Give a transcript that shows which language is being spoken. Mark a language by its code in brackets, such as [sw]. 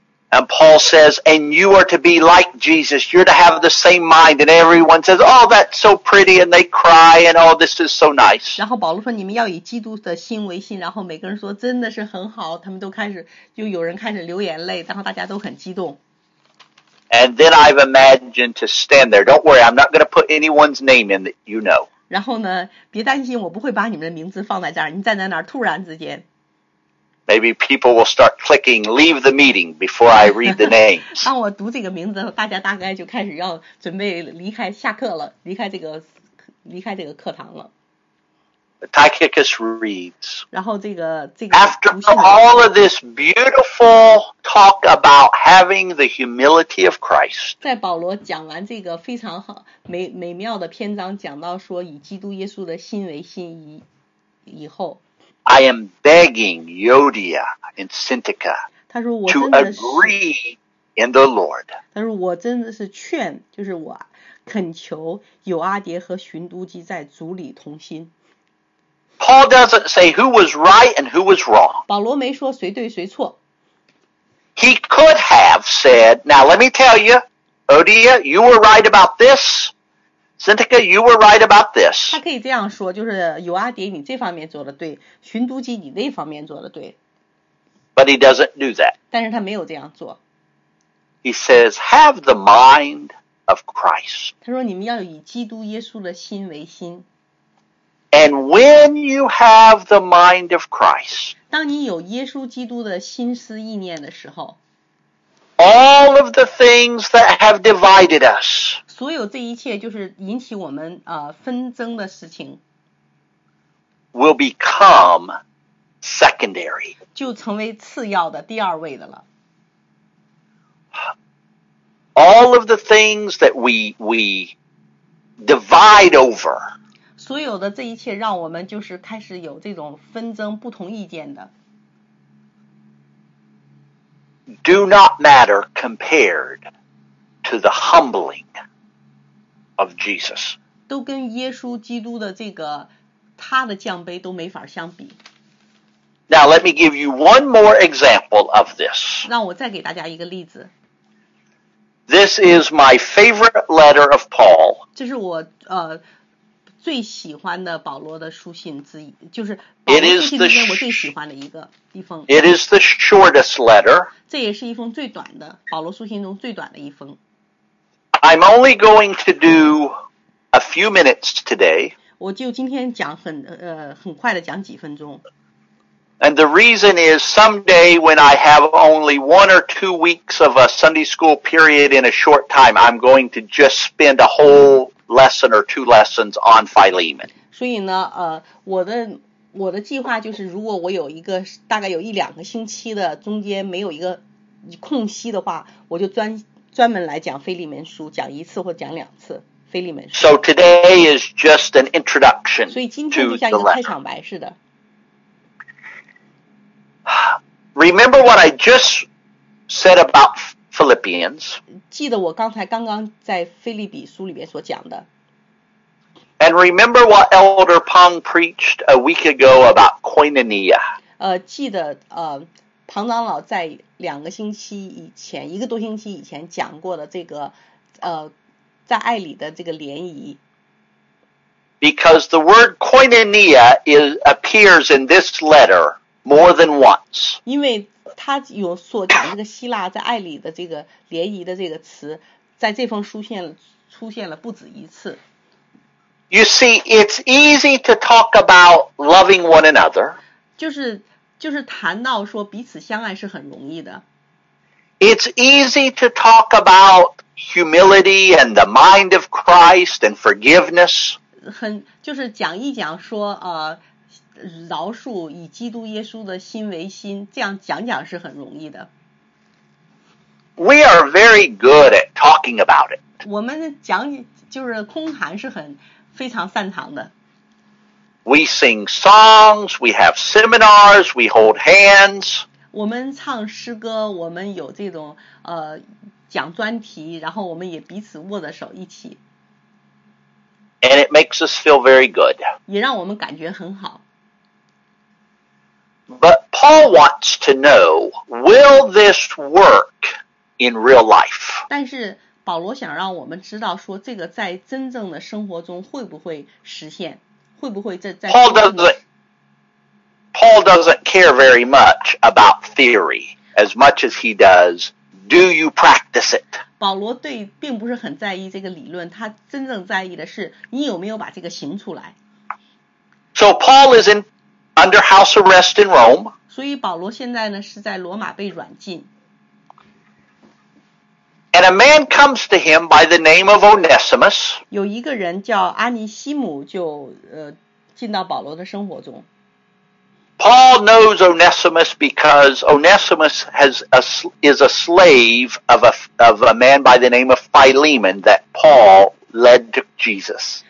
[en] And Paul says, and you are to be like Jesus. You're to have the same mind. And everyone says, oh, that's so pretty. And they cry. And oh, this is so nice. [zh] 然后保罗说你们要以基督的心为心。然后每个人说真的是很好。他们都开始，就有人开始流眼泪。然后大家都很激动。 [en] And then I've imagined to stand there. Don't worry, I'm not going to put anyone's name in that you know. [zh] 然后呢，别担心，我不会把你们的名字放在这儿。你站在那儿，突然之间。 [en] Maybe people will start clicking, leave the meeting before I read the names. [zh] 当我读这个名字的时候，大家大概就开始要准备离开下课了，离开这个课堂了。 [en] Tychicus reads. [zh] 然后这个 [en] After all of this beautiful talk about having the humility of Christ. [zh] 在保罗讲完这个非常好美妙的篇章，讲到说以基督耶稣的心为心以后。 [en] I am begging Euodia and Syntyche to agree in the Lord. [zh] 他说我真的是劝，就是我恳求有阿蝶和寻都基在主里同心。 [en] Paul doesn't say who was right and who was wrong. [zh] 保罗没说谁对谁错。 [en] He could have said, now let me tell you, Euodia, you were right about this. Syntyche, you were right about this. [zh] 他可以这样说，就是有阿蝶，你这方面做的对；寻都基，你那方面做的对。 [en] But he doesn't do that. [zh] 但是他没有这样做。 [en] He says, "Have the mind of Christ." [zh] 他说你们要以基督耶稣的心为心。 [en] And when you have the mind of Christ, [zh] 当你有耶稣基督的心思意念的时候, [en] all of the things that have divided us, [zh] 所有这一切就是引起我们纷争的事情, [en] will become secondary, [zh] 就成为次要的第二位的了。 [en] All of the things that we divide over. [zh] 所有的这一切让我们就是开始有这种纷争不同意见的。 [en] Do not matter compared to the humbling of Jesus. [zh] 都跟耶稣基督的这个他的降卑都没法相比。 [en] Now let me give you one more example of this. [zh] 让我再给大家一个例子。 [en] This is my favorite letter of Paul. [zh] 这是我最喜欢的保罗的书信之一，就是保罗书信里面我最喜欢的一封。 [en] It is the shortest letter. [zh] 这也是一封最短的，保罗书信中最短的一封。 [en] I'm only going to do a few minutes today. [zh] 我就今天讲很快的讲几分钟。 [en] And the reason is someday when I have only 1 or 2 weeks of a Sunday school period in a short time, I'm going to just spend a whole lesson or 2 lessons on Philemon. [zh] 所以呢，我的计划就是如果我有一个大概有一两个星期的中间没有一个空隙的话，我就专门来讲腓利门书，讲一次或讲两次腓利门书。 [en] So today is just an introduction. [zh] 所以今天就像一个开场白似的。 [en] Remember what I just said about Philippians. [zh] 记得我刚才刚刚在腓立比书里面所讲的。 [en] And remember what Elder Pong preached a week ago about koinonia. [zh] 记得庞长老在两个星期以前，一个多星期以前讲过的这个在爱里的这个联谊。 [en] Because the word koinonia appears in this letter. More than once. [zh] 因为他有所讲这个希腊在爱里的这个联谊的这个词，在这封书信出现了不止一次。 [en] You see, it's easy to talk about loving one another. [zh] 就是谈到说彼此相爱是很容易的。 [en] It's easy to talk about humility and the mind of Christ and forgiveness. [zh] 很就是讲一讲说饶恕以基督耶稣的心为心，这样讲讲是很容易的。 [en] We are very good at talking about it. [zh] 我们讲就是空谈是很非常擅长的。 [en] We sing songs, we have seminars, we hold hands. [zh] 我们唱诗歌，我们有这种讲专题，然后我们也彼此握着手一起。 [en] And it makes us feel very good. [zh] 也让我们感觉很好。 [en] But Paul wants to know, will this work in real life? [zh] 但是保罗想让我们知道说这个在真正的生活中会不会实现，会不会在 [en] Paul doesn't care very much about theory as much as he does, do you practice it? [zh] 保罗对并不是很在意这个理论，他真正在意的是你有没有把这个行出来。 [en] So Paul is inUnder house arrest in Rome. [zh] 所以保罗现在呢是在罗马被软禁。 [en] And a man comes to him by the name of Onesimus. [zh] 有一个人叫阿尼西姆就进到保罗的生活中。 [en] Paul knows Onesimus because Onesimus is a slave of a man by the name of Philemon that Paul led to Jesus.